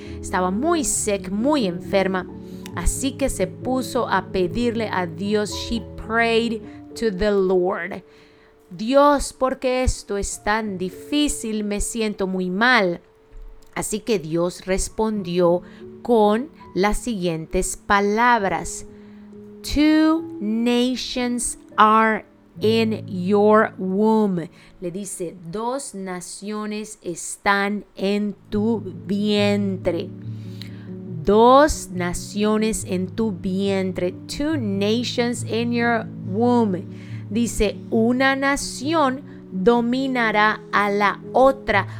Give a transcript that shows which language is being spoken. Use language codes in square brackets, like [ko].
[es] Estaba muy sick, muy enferma. Así que se puso a pedirle a Dios. [en] She prayed to the Lord. [es] Dios, ¿por qué esto es tan difícil? Me siento muy mal. Así que Dios respondió con las siguientes palabras. [en] Two nations are in your womb. [es] Le dice, dos naciones están en tu vientre. Dos naciones en tu vientre. [en] Two nations in your womb. [es] Dice, una nación dominará a la otra.